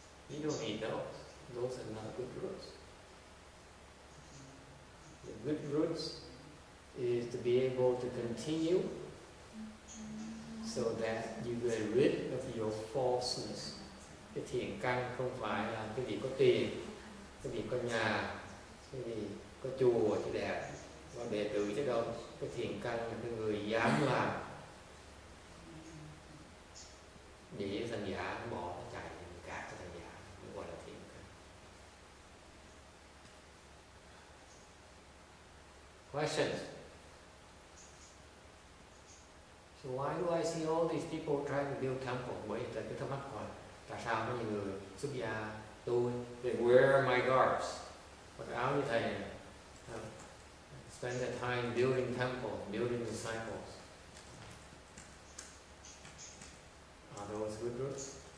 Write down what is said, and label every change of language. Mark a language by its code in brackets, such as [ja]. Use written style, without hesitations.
[en] You don't need those. Those are not good roots. The good roots is to be able to continue so that you get rid of your falseness. [vi] Cái thiện căn không phải là cái gì có tiền, cái gì có nhà, cái gì có chùa chứ đẹp, có đệ tử chứ đâu. Cái thiện căn là cái người dám làm. Để cái thằng giả nó bỏ nó chạy, mình cạt cái thằng giả, nó gọi là thiện căn. [en] Questions? So why do I see all these people trying to build temple? [vi] Bởi vì cái thắc mắc hỏi, tại sao mấy người xuất gia tôi? [en] They wear my garbs. [vi] Mặc áo như thầy này. [en] Spend the time building temple, building disciples. Are those good roots?